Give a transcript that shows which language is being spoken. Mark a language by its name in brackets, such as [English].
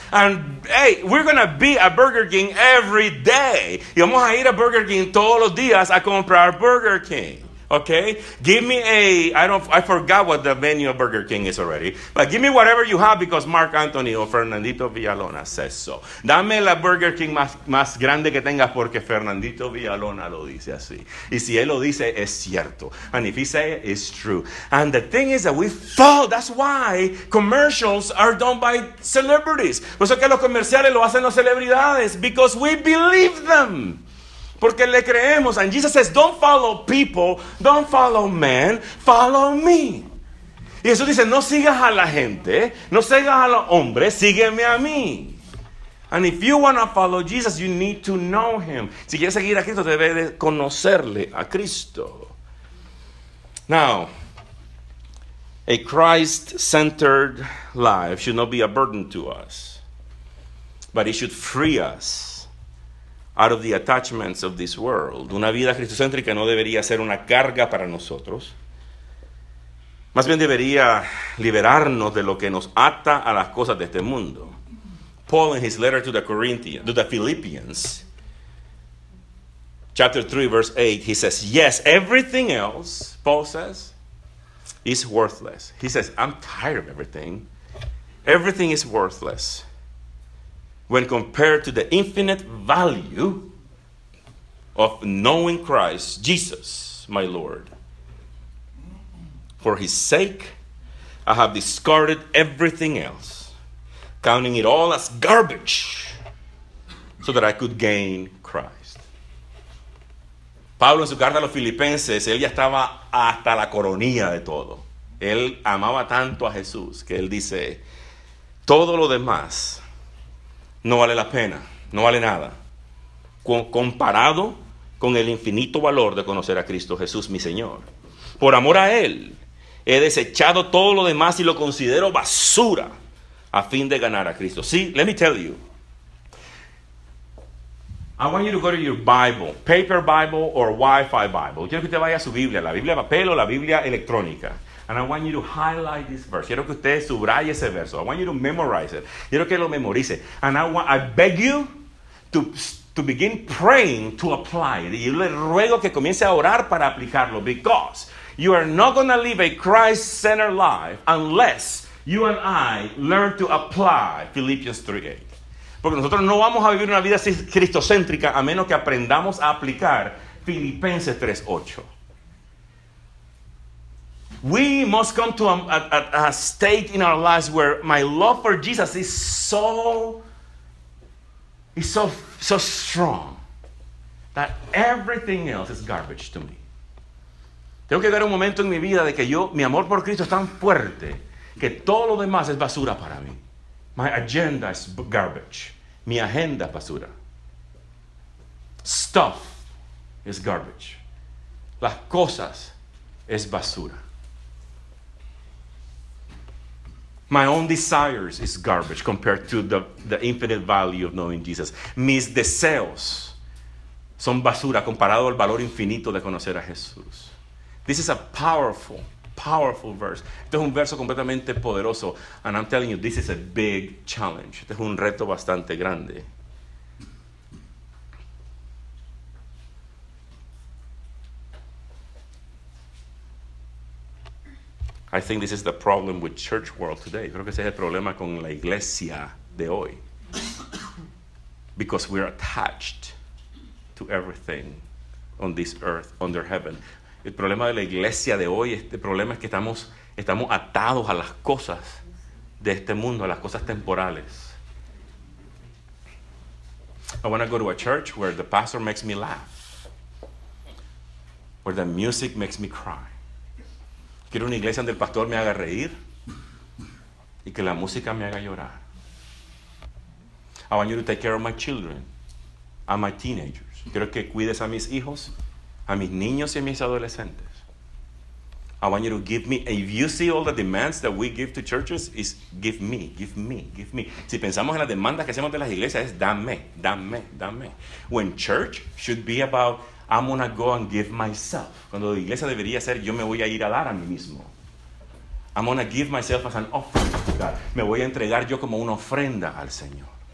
[English] And hey, we're going to be at Burger King every day. [Spanish] Y vamos a ir a Burger King todos los días a comprar Burger King. [English] Okay, give me I forgot what the menu of Burger King is already, but give me whatever you have because Marc Anthony or Fernandito Villalona says so. [Spanish] Dame la Burger King más grande que tengas porque Fernandito Villalona lo dice así. Y si él lo dice, es cierto. [English] And if he say it, it's true. And the thing is that we fall. That's why commercials are done by celebrities. [Spanish] Por eso que los comerciales lo hacen las celebridades, [English] because we believe them. [Spanish] Porque le creemos. [English] And Jesus says, don't follow people, don't follow men, follow me. [Spanish] Y Jesús dice, no sigas a la gente, no sigas a los hombres, sígueme a mí. [English] And if you want to follow Jesus, you need to know him. [Spanish] Si quieres seguir a Cristo, debes de conocerle a Cristo. [English] Now, a Christ-centered life should not be a burden to us, but it should free us out of the attachments of this world. [Spanish] Una vida cristocéntrica no debería ser una carga para nosotros. Más bien debería liberarnos de lo que nos ata a las cosas de este mundo. [English] Paul, in his letter to the Philippians, chapter 3, verse 8, he says, yes, everything else, Paul says, is worthless. He says, I'm tired of everything. Everything is worthless when compared to the infinite value of knowing Christ Jesus, my Lord. For his sake, I have discarded everything else, counting it all as garbage, so that I could gain Christ. [Spanish] Pablo, en su carta a los Filipenses, él ya estaba hasta la coronilla de todo. Él amaba tanto a Jesús que él dice, todo lo demás no vale la pena, no vale nada, comparado con el infinito valor de conocer a Cristo Jesús, mi Señor. Por amor a Él, he desechado todo lo demás y lo considero basura a fin de ganar a Cristo. [English] See, let me tell you. I want you to go to your Bible, paper Bible or Wi-Fi Bible. [Spanish] Quiero que usted vaya a su Biblia, la Biblia de papel o la Biblia electrónica. [English] And I want you to highlight this verse. [Spanish] Quiero que usted subraye ese verso. [English] I want you to memorize it. [Spanish] Quiero que lo memorice. [English] And I beg you to begin praying to apply it. [Spanish] Y le ruego que comience a orar para aplicarlo. [English] Because you are not going to live a Christ-centered life unless you and I learn to apply Philippians 3:8. [Spanish] Porque nosotros no vamos a vivir una vida cristocéntrica a menos que aprendamos a aplicar Filipenses 3:8. [English] We must come to a state in our lives where my love for Jesus is so strong that everything else is garbage to me. [Spanish] Tengo que dar un momento en mi vida de que yo, mi amor por Cristo es tan fuerte que todo lo demás es basura para mí. [English] My agenda is garbage. [Spanish] Mi agenda es basura. [English] Stuff is garbage. [Spanish] Las cosas es basura. [English] My own desires is garbage compared to the infinite value of knowing Jesus. [Spanish] Mis deseos son basura comparado al valor infinito de conocer a Jesús. [English] This is a powerful, powerful verse. [Spanish] Este es un verso completamente poderoso. [English] And I'm telling you, this is a big challenge. [Spanish] Este es un reto bastante grande. [English] I think this is the problem with church world today. [Spanish] Creo que ese es el problema con la iglesia de hoy. [English] Because we're attached to everything on this earth, under heaven. [Spanish] El problema de la iglesia de hoy, este problema es que estamos atados a las cosas de este mundo, a las cosas temporales. [English] I want to go to a church where the pastor makes me laugh. Where the music makes me cry. [Spanish] Quiero una iglesia donde el pastor me haga reír y que la música me haga llorar. [English] I want you to take care of my children and my teenagers. [Spanish] Quiero que cuides a mis hijos, a mis niños y a mis adolescentes. [English] I want you to give me, if you see all the demands that we give to churches, is give me, give me, give me. [Spanish] Si pensamos en las demandas que hacemos de las iglesias, es dame, dame, dame. [English] When church should be about, I'm going to go and give myself. [Spanish] Cuando la iglesia debería ser, yo me voy a ir a dar a mí mismo. [English] I'm going to give myself as an offering to God. [Spanish] Me voy a entregar yo como una ofrenda al Señor.